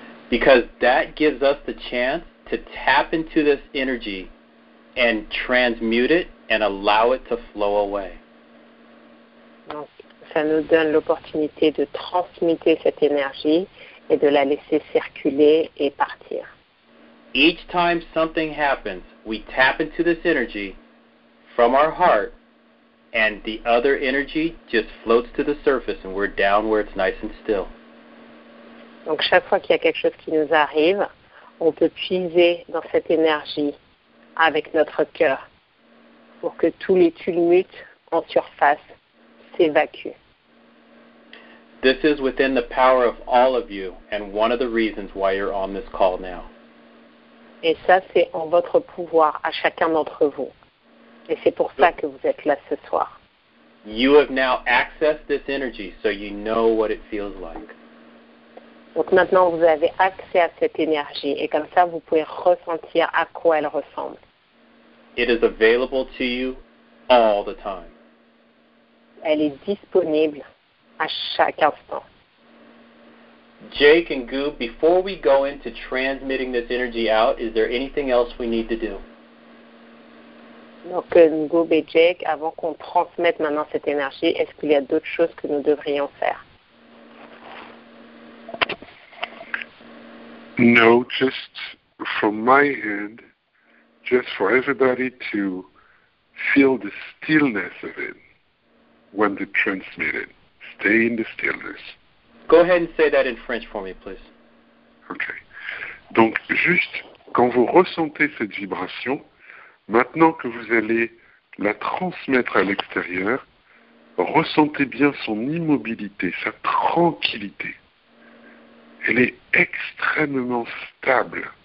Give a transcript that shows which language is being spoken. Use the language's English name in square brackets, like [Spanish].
[English] Because that gives us the chance to tap into this energy and transmute it and allow it to flow away. [French] Donc, ça nous donne l'opportunité de transmuter cette énergie et de la laisser circuler et partir. [English] Each time something happens, we tap into this energy from our heart and the other energy just floats to the surface and we're down where it's nice and still. [French] Donc chaque fois qu'il y a quelque chose qui nous arrive, on peut puiser dans cette énergie avec notre cœur pour que tous les tumultes en surface s'évacuent. [English] This is within the power of all of you and one of the reasons why you're on this call now. [French] Et ça, c'est en votre pouvoir à chacun d'entre vous. Et c'est pour ça que vous êtes là ce soir. [English] You have now accessed this energy so you know what it feels like. [French] Donc maintenant, vous avez accès à cette énergie et comme ça, vous pouvez ressentir à quoi elle ressemble. [English] It is available to you all the time. [French] Elle est disponible à chaque instant. [English] Jake and Goo, before we go into transmitting this energy out, is there anything else we need to do? [French] Donc, Goo et Jake, avant qu'on transmette maintenant cette énergie, est-ce qu'il y a d'autres choses que nous devrions faire? [English] No, just from my end, just for everybody to feel the stillness of it when they transmit it. Stay in the stillness. Go ahead and say that in French for me, please. Okay. [French] Donc, juste quand vous ressentez cette vibration, maintenant que vous allez la transmettre à l'extérieur, ressentez bien son immobilité, sa tranquillité. Elle est extrêmement stable.